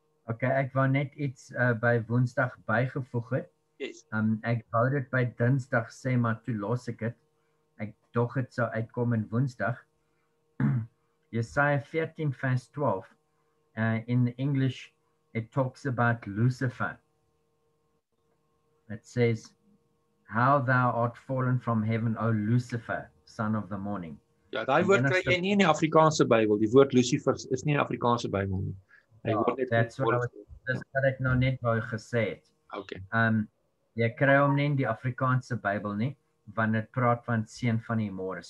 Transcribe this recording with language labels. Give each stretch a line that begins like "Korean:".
Afrikaans: Ok, ek wou net iets by woensdag bygevoeg het.
English: Yes.
Afrikaans: Ek wou dit by dinsdag sê, maar toe los ek het. Ek dog het sal uitkom in woensdag. Jesaja 14 vers 12.
English: In the English, it talks about Lucifer. It says, how thou art fallen from heaven, O Lucifer, son of the morning.
Afrikaans: Ja, die woord krijg jy nie in die Afrikaanse Bybel. Die woord Lucifer is nie in die Afrikaanse Bybel nie. Dat ek nou net wou gesê het.
English: Okay.
Afrikaans: Jy kry hom nie in die Afrikaanse Bybel nie, want het praat van Seun van die Môre.